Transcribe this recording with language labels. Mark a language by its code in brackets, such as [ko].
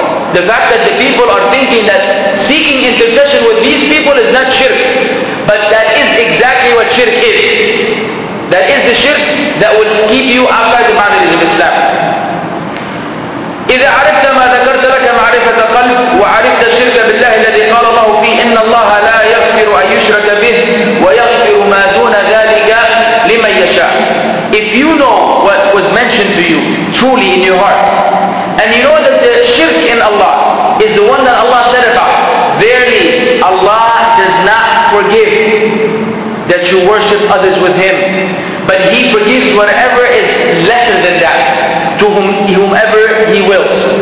[en] The fact that the people are thinking that seeking intercession with these people is not shirk. But that is exactly what shirk is. That is the shirk that will keep you outside the boundaries of Islam. [ar] إذا عرفت ما ذكرت لك معرفة قلب وعرفت الشرك بالله الذي قال الله فيه إن الله لا يغفر أن يشرك به ويغفر ما دون ذلك لمن يشاء. [en] If you know what was mentioned to you truly in your heart, and you know that the shirk in Allah is the one that Allah said about, verily Allah does not forgive that you worship others with Him, but He forgives whatever is lesser than that to whomever He wills.